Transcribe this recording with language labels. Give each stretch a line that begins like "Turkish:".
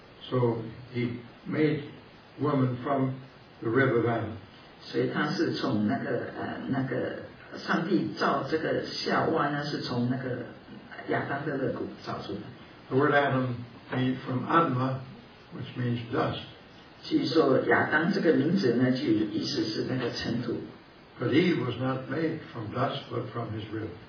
English: So he made woman from the rib of Adam.
Chinese: 所以他是从那个上帝造这个夏娃呢，是从那个亚当的肋骨造出来。
English: The word Adam made from Adma, which means dust.
Chinese: 据说亚当这个名字呢，就意思是那个尘土。
English: But he was not made from dust, but from his rib.